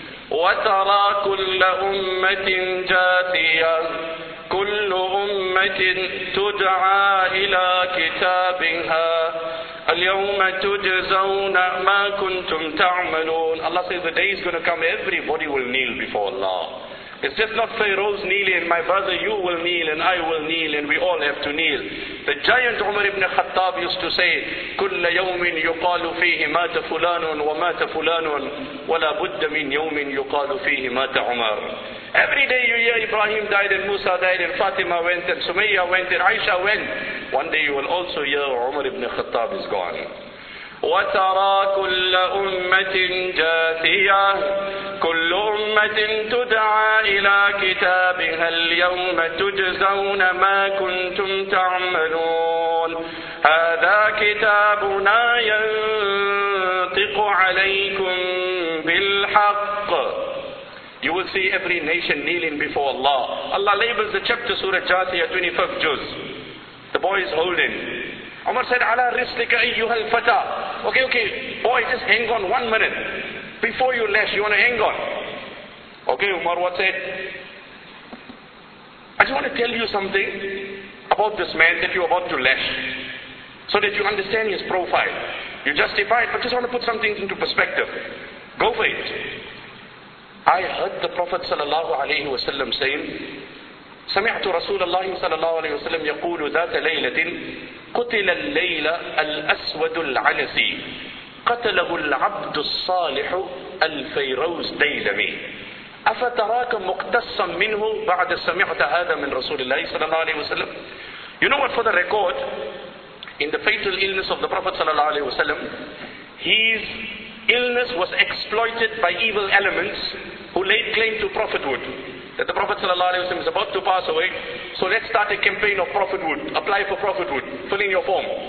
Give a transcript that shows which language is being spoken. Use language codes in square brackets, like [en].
[ar] وَتَرَى كُلَّ أُمَّةٍ جَاثِيًا كُلُّ أُمَّةٍ تُدْعَى إِلَى كِتَابِهَا الْيَوْمَ تُجْزَوْنَ مَا كُنْتُمْ تَعْمَلُونَ. [en] Allah says the day is going to come, everybody will kneel before Allah. It's just not Pharaoh's kneeling, my brother, you will kneel and I will kneel and we all have to kneel. The giant Umar ibn Khattab used to say, [ar] كُلَّ يَوْمٍ يُقَالُ فِيهِ مَاتَ فُلَانٌ وَمَاتَ فُلَانٌ وَلَا بُدَّ مِنْ يَوْمٍ يُقَالُ فِيهِ مَاتَ عُمَرٌ. [en] Every day you hear Ibrahim died and Musa died and Fatima went and Sumayya went and Aisha went. One day you will also hear Umar ibn Khattab is gone. [ar] وَتَرَى كُلَّ أُمَّةٍ جَاثِيَةٍ كُلُّ أُمَّةٍ تُدْعَى إِلَى كِتَابِهَا الْيَوْمَ تُجْزَوْنَ مَا كُنْتُمْ تَعْمَلُونَ هَذَا كِتَابُنَا يَنْطِقُ عَلَيْكُمْ بِالْحَقِّ. [en] You will see every nation kneeling before Allah. Allah labels the chapter Surah Jathiyah, 25th juz. The boy is holding. Umar said, [ar] Ala rislika ayyuhal fata. [en] Okay, boy, just hang on 1 minute. Before you lash, you want to hang on. Okay, Umar, what's it? I just want to tell you something about this man that you're about to lash, so that you understand his profile. You justify it, but just want to put some things into perspective. Go for it. I heard the Prophet sallallahu alayhi wa sallam saying, [ar] سمعت رسول الله صلى الله عليه وسلم يقول ذات ليلة قتل الليل الأسود العنسي قتله العبد الصالح الفيروز ديلمي أفتراك مقتصا منه بعد سمعت هذا من رسول الله صلى الله عليه وسلم. [en] You know what, for the record, in the fatal illness of the Prophet صلى الله عليه وسلم, his illness was exploited by evil elements who laid claim to prophethood. That the Prophet ﷺ is about to pass away, so let's start a campaign of prophethood, apply for prophethood, fill in your form.